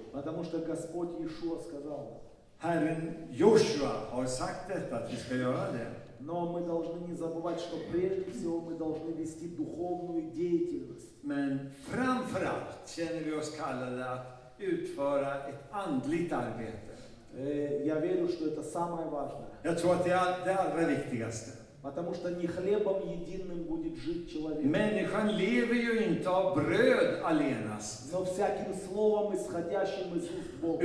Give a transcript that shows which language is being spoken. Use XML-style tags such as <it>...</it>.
<ru>Потому что Господь Иешуа сказал.</ru> <sv>Herren Joshua har sagt detta, att vi ska göra det.</sv> <ru>Но мы должны не забывать, что прежде всего мы должны вести духовную деятельность.</ru> <sv>Men framför allt känner vi oss kallade att utföra ett andligt arbete.</sv> <ru>Я верю, что это самое важное.</ru> <sv>Jag tror att det allra viktigaste.</sv> <ru>Потому что не хлебом единым будет жить человек.</ru> <sv>Människan lever ju inte av bröd allenast.</sv> <ru>Но всяким словом, исходящим из уст Бога.</ru>